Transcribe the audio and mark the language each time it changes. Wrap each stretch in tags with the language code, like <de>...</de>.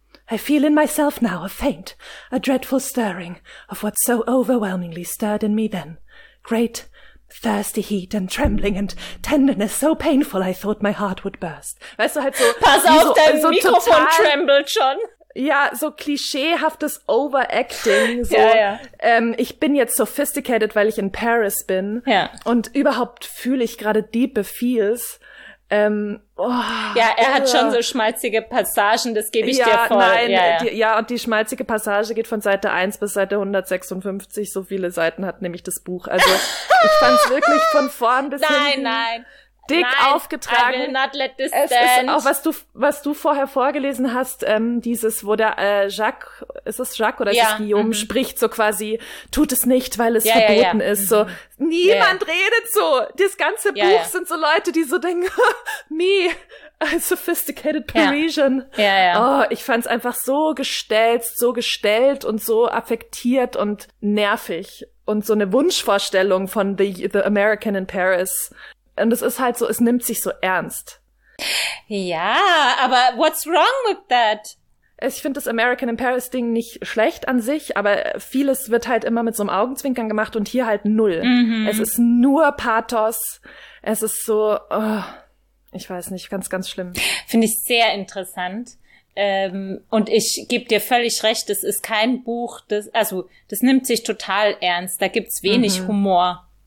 <en>I feel in myself now a faint, a dreadful stirring of what so overwhelmingly stirred in me then. Great, thirsty heat and trembling and tenderness so painful I thought my heart would burst.</en> <de>Weißt du, halt so. Pass auf, dein Mikrofon trembelt schon. Ja, so klischeehaftes Overacting. So, ja, ja. Ich bin jetzt sophisticated, weil ich in Paris bin. Ja. Und überhaupt fühle ich gerade deepe Feels. Ja, er hat schon so schmalzige Passagen, das gebe ich ja, dir voll. Nein, ja, ja. Ja, und die schmalzige Passage geht von Seite 1 bis Seite 156, so viele Seiten hat nämlich das Buch. Also ich fand es wirklich von vorn bis hinten dick aufgetragen. Nein,</de> <en>I will not let this stand.</en> <de>Es ist auch, was du vorher vorgelesen hast, dieses, wo der Jacques Guillaume spricht, so quasi, tut es nicht, weil es verboten ist, so. Niemand redet so. Das ganze Buch sind so Leute, die so denken,</de> <en>me, a sophisticated Parisian.</en> <de>Ja. Oh, ich fand's einfach so gestellt und so affektiert und nervig. Und so eine Wunschvorstellung von</de> <en>the American in Paris.</en> <de>Und es ist halt so, es nimmt sich so ernst. Ja, aber</de> <en>what's wrong with that?</en> <de>Ich finde das American in Paris Ding nicht schlecht an sich, aber vieles wird halt immer mit so einem Augenzwinkern gemacht und hier halt null. Mhm. Es ist nur Pathos. Es ist so, oh, ich weiß nicht, ganz, ganz schlimm. Finde ich sehr interessant. Und ich gebe dir völlig recht, das ist kein Buch, das nimmt sich total ernst. Da gibt's wenig Humor.</de>